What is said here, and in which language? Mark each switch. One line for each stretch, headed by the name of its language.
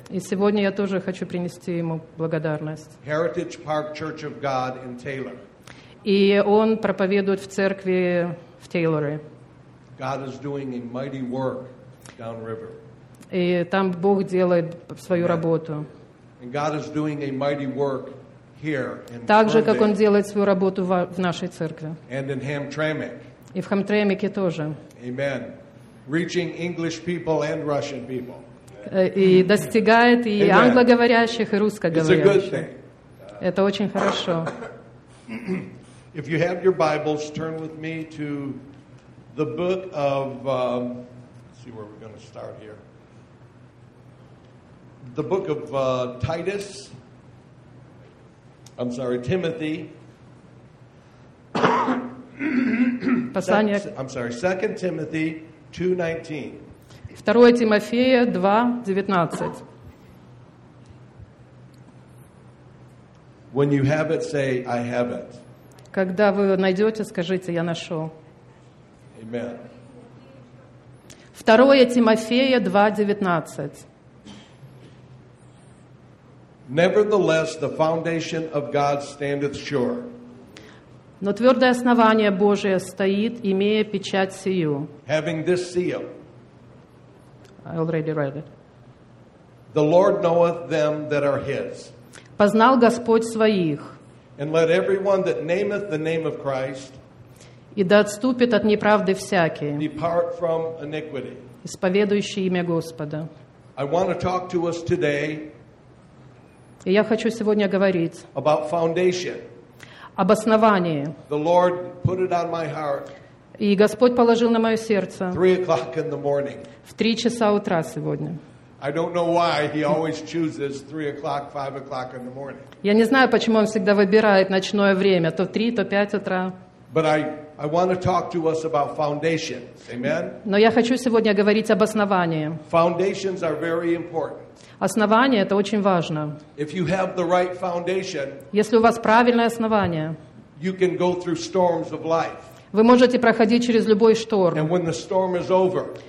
Russian: И сегодня я тоже хочу принести ему благодарность.
English: Heritage Park Church of God in Taylor.
Russian: И он проповедует в церкви в Тейлоре.
English: God is doing a mighty work downriver.
Russian: И там Бог делает свою работу.
English: And God is doing a mighty work here in Ferndale.
Russian: Так же, как он делает свою работу в нашей церкви.
English: And in Hamtramck.
Russian: И в Хамтрамике тоже.
English: Amen. Reaching English people and Russian people.
Russian: И достигает и англоговорящих, и русскоговорящих.
English: It's a good thing.
Russian: Это очень хорошо.
English: If you have your Bibles, turn with me to the book of, let's see where we're going to start here. The book of Titus. I'm sorry, Timothy.
Russian: Послание.
English: I'm sorry, 2 Timothy. 2:19.
Russian: 2 Тимофея 2:19.
English: When you have it, say I have it.
Russian: Когда вы найдете, скажите, я нашел.
English: Amen.
Russian: 2 Тимофея 2:19.
English: Nevertheless, the foundation of God standeth sure.
Russian: Но твердое основание Божие стоит, имея печать сию.
English: Having this seal. I already read it. The Lord knoweth them that are his.
Russian: Познал Господь своих.
English: And let everyone that nameth the name of Christ.
Russian: И да отступит от неправды всякий.
English: Depart from iniquity.
Russian: Исповедующий имя Господа.
English: I want to talk to us today.
Russian: И я хочу сегодня говорить.
English: About foundation.
Russian: Об основании.
English: The Lord put it on my heart.
Russian: И Господь положил на мое сердце.
English: 3 o'clock in the morning.
Russian: В 3 часа утра сегодня.
English: I don't know why he always chooses 3 o'clock, 5 o'clock in the morning.
Russian: Я не знаю, почему он всегда выбирает ночное время, то 3, то 5 утра.
English: But I want to talk to us about foundations. Amen.
Russian: Но я хочу сегодня говорить об основании.
English: Foundations are very important.
Russian: Основание — это очень важно.
English: If you have the right foundation,
Russian: если у вас правильное основание,
English: you can go through storms of life.
Russian: Вы можете проходить через любой шторм.
English: And when the storm is over,